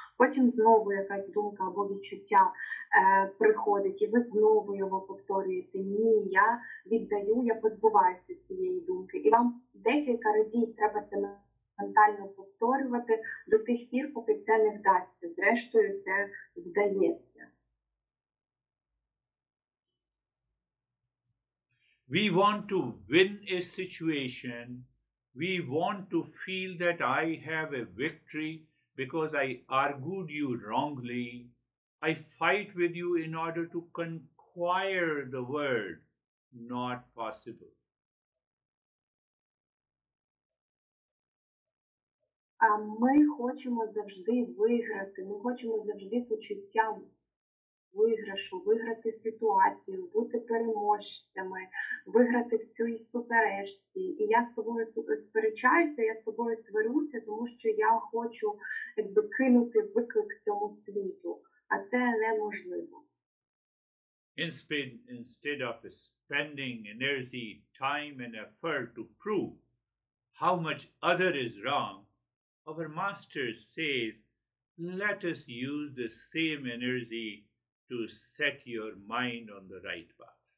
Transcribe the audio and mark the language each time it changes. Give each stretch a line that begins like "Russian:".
Ukrainian: Потім знову якась думка або відчуття приходить, і ви знову його повторюєте, ні, я віддаю, я позбуваюся цієї думки. І вам декілька разів треба це ментально повторювати до тих пір, поки це не вдасться, зрештою це вдається.
English: We want to win a situation, we want to feel that I have a victory because I argued you wrongly, I fight with you in order to conquer the world. Not possible.
Ukrainian: Ми хочемо завжди виграти, ми хочемо завжди почуття виграшу, виграти ситуацію, бути переможцями, виграти в цій суперечці. І я з тобою сперечаюся, я з тобою сварюся, тому що я хочу якби кинути виклик цьому світу. А це неможливо.
English: Instead of spending energy, time and effort to prove how much other is wrong, our master says, let us use the same energy to set your mind on the right path.